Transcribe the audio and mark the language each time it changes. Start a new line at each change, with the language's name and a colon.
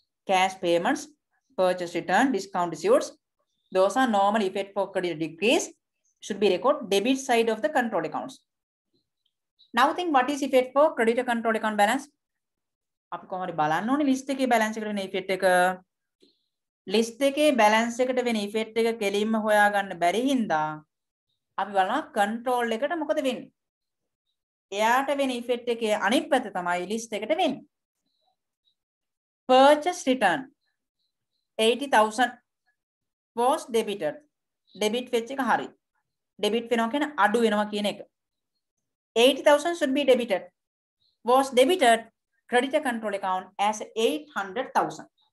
English: cash payments, purchase return, discount receipts, those are normal effect for credit decrease, should be record debit side of the control accounts. Now think what is effect for creditor control account balance.
Sinhala: අපි කොහොමද බලන්න ඕනේ list එකේ balance එකට වෙන effect එක. List එකේ balance එකට වෙන effect එක කෙලින්ම හොයාගන්න බැරි හින්දා අපි බලනවා control එකට මොකද වෙන්නේ. එයාට වෙන effect එකේ අනිත් පැත්ත තමයි list එකට වෙන්නේ.
English: Purchase return 80,000 was debited. Debit
Sinhala: fetch එක හරි. Debit වෙනවා කියන්නේ අඩු වෙනවා කියන එක.
English: 80,000 should be debited. Was debited creditor control account as 800,000.